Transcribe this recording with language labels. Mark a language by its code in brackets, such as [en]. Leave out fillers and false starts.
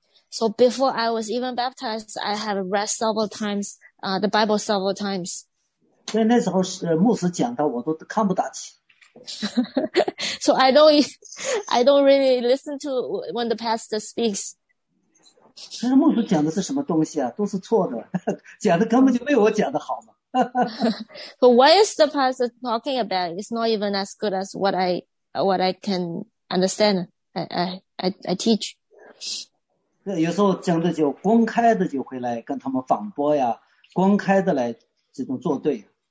[en] so before I was even baptized, I had read several times, the Bible several times. [zh] 所以那时候是牧师讲到我都看不打起。 [en] So I don't really listen to when the pastor speaks. [zh] 其实牧师讲的是什么东西啊？都是错的，讲的根本就没有我讲的好嘛。 [en] But what is the pastor talking about? It's not even as good as what I can understand. I teach. [zh] 有时候讲的就公开的就回来跟他们反驳呀，公开的来这种作对。